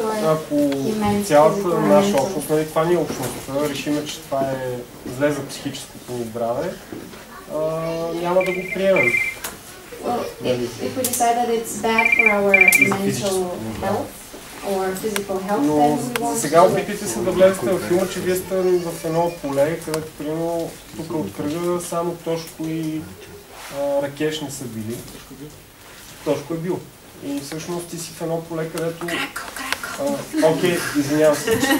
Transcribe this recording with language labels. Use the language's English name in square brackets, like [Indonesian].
[Bulgarian] ако цялата наша общност, нали, това ни е общността, решиме, че това е зле за психическото здраве, няма да го приемем. [English] Well, if we decide that it's bad for our mental health, [Bulgarian] но сега опитайте се да влезете в филма, че вие сте в едно поле, където примерно тук от кръга само Тошко и Ракеш не са били. Тошко е бил. И всъщност ти си в едно поле, където... Окей, извинявам се.